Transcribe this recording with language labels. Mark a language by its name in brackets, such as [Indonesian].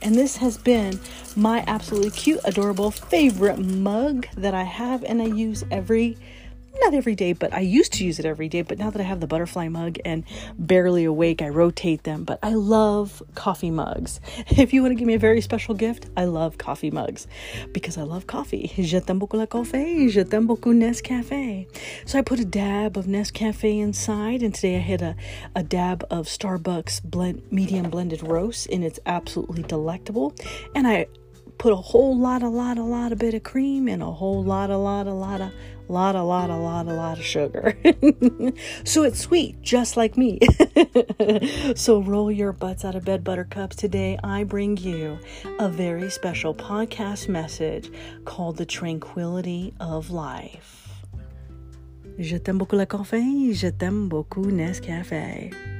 [English] And this has been my absolutely cute, adorable favorite mug that I have, and I use I used to use it every day, but now that I have the butterfly mug and barely awake, I rotate them. But I love coffee mugs. If you want to give me a very special gift, I love coffee mugs because I love coffee. [French] Je t'aime beaucoup le café, je t'aime beaucoup Nescafé. [English] So I put a dab of Nescafé inside, and today I hit a dab of Starbucks medium blended roast, and it's absolutely delectable. And I put a bit of cream and a lot of sugar. So it's sweet, just like me. So roll your butts out of bed, Buttercups. Today I bring you a very special podcast message called The Tranquility of Life. [French] Je t'aime beaucoup le café, je t'aime beaucoup Nescafé.